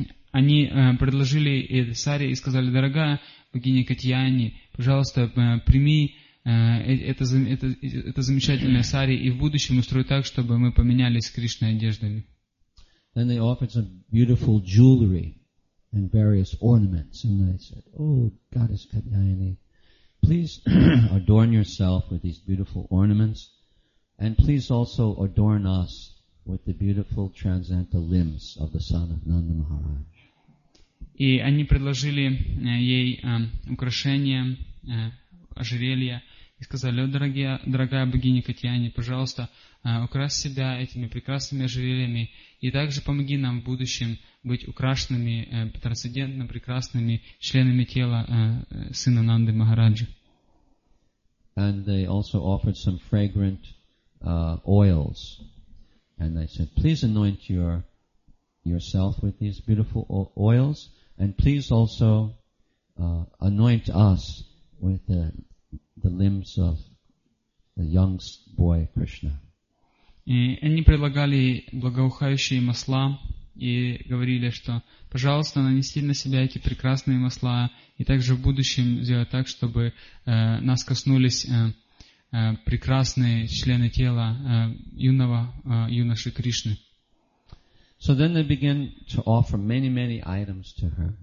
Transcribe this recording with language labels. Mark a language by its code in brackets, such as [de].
[ru] Они предложили ей сари и сказали, дорогая богиня Катьяни, пожалуйста, прими это замечательное сари и в будущем устрой так, чтобы мы поменялись Кришной одеждами. [en] Then they offered some beautiful jewelry and various ornaments. And they said, oh, goddess Katyayani, please adorn yourself with these beautiful ornaments and please also adorn us with the beautiful transcendental limbs of the son of Nanda Maharaj. [ru] И они предложили ей украшения, ожерелья, и сказали, дорогая богиня Катьяни, пожалуйста, украсть себя этими прекрасными ожерельями, и также помоги нам в будущем быть украшенными, трансцендентно прекрасными членами тела сына Нанды Махараджи. [en] And they also offered some fragrant oils. And they said, please anoint yourself with these beautiful oils. And please also anoint us with the limbs of the young boy Krishna. [ru] Они предлагали благоухающие масла и говорили, что, пожалуйста, нанести на себя эти прекрасные масла и также в будущем сделать так, чтобы нас коснулись прекрасные члены тела юноши Кришны. [en] So then they began to offer many, many items to her.